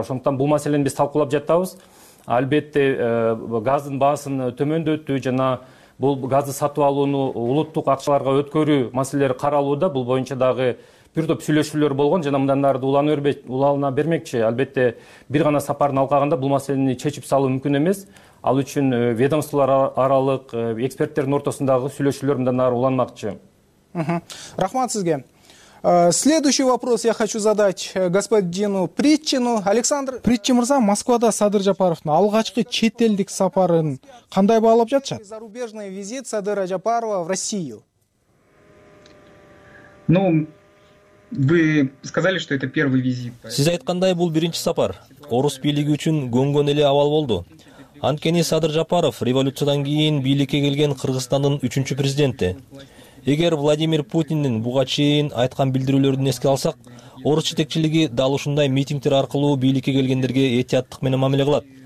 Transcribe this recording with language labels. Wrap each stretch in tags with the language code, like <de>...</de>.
<ky>Ошондуктан бул маселени биз талкуулап жатабыз. Албетте газдын баасын төмөндөтүү жана бул газды сатып алууну улуттук акчаларга өткөрүү маселелери каралууда. Бул боюнча дагы бир топ сүйлөшүүлөр болгон жана мындан ары улана бермекчи. Албетте бир гана сапарын алкагында бул маселени чечип салуу мүмкүн эмес. Ал үчүн ведомстволор аралык эксперттердин ортосундагы сүйлөшүүлөр мындан ары уланмакчы. Рахмат сизге.</ky> <ru>Следующий вопрос я хочу задать господину Притчину. Александр</ru> <ky>Притчи мырза, Москвада Садыр Жапаровдун алгачкы чет элдик сапарын кандай баалап жатышат?</ky> <ru>Зарубежный визит Садыра Жапарова в Россию. Ну, вы сказали, что это первый визит.</ru> <ky>Сиз айткандай бул биринчи сапар. Орус бийлиги үчүн көнгөн эле абал болду. Анткени Садыр Жапаров революциядан кийин бийликке келген Кыргызстандын 3-чү президенти. Эгер Владимир Путиндин буга чейин айткан билдирүүлөрүн эске алсак, орус жетекчилиги дал ушундай митингдер аркылуу бийликке келгендерге этияттык менен мамиле кылат.</ky>